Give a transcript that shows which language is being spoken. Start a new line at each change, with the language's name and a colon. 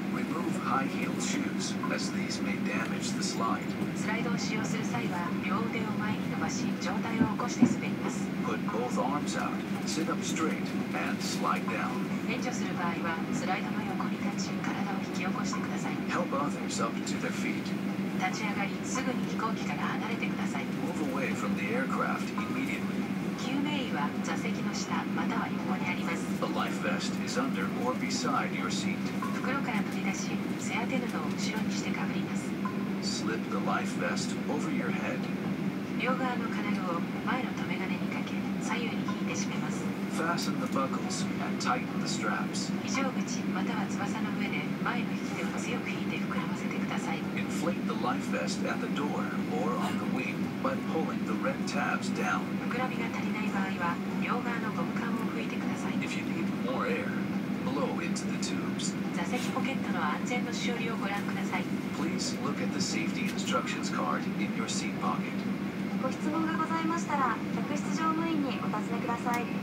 English: Remove high heel shoes, as these may damage the slide.
Japanese: スライドを使用する際は、両腕を前に伸ばし、上体を起こして滑ります。
English: Put both arms out, sit up straight, and slide down.
Japanese: 援助する場合は、スライドの横に立ち、体を引き起こしてください。
English: Help others up to their feet.
Japanese: 立ち上がり、すぐに飛行機から離れてください。
English: Move away from the aircraft immediately.
Japanese: 救命衣は座席の下または横にあります。
English: A life vest is under or beside your seat.
Japanese: 袋から取り出し背当て布を後ろにしてかぶります。
English: Slip the life vest over your head.
Japanese: 両側の金具を前の留め金にかけ左右に引いて締めます。
English: Fasten the buckles and tighten the straps.
Japanese: 非常口または翼の上で前の引き手を強く引いて膨らませてください。
English: Inflate the life vest at the door or on the wing by pulling the red tabs down.
Japanese: 膨らみが足りない場合は両側のゴム管を拭いてください。
English: If you need more air, blow into the tubes.
Japanese: 座席ポケットの安全のしおりをご覧ください。
English: Please look at the safety instructions card in your seat pocket.
Japanese: ご質問がございましたら客室乗務員にお尋ねください。